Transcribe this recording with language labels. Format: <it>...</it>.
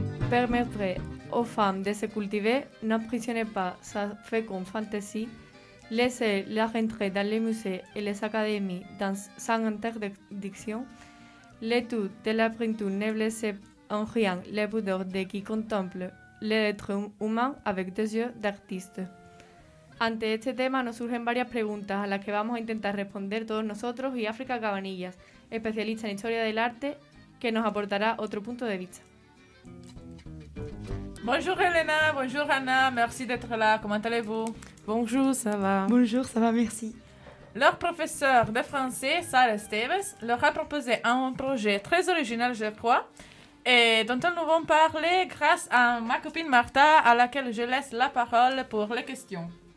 <fr>Permettre aux femmes de se cultiver, n'emprisonner pas sa féconde fantaisie, laisser la rentrée dans les musées et les académies dans, sans interdiction, le tout de la printemps ne blesse en rien les boudoirs de qui contemple l'être humain avec des yeux d'artiste.</fr> <es>Ante este tema nos surgen varias preguntas a las que vamos a intentar responder todos nosotros y África Cabanillas, especialista en historia del arte, que nos aportará otro punto de vista.</es> <fr>Bonjour Elena, bonjour Anna, merci d'être là, comment allez-vous? Bonjour, ça va. Bonjour, ça va, merci. Leur professeur de français, Sarah Esteves, leur a proposé un projet très original, je crois, et dont nous allons parler grâce à ma copine Martha, à laquelle je laisse la parole pour les questions.</fr>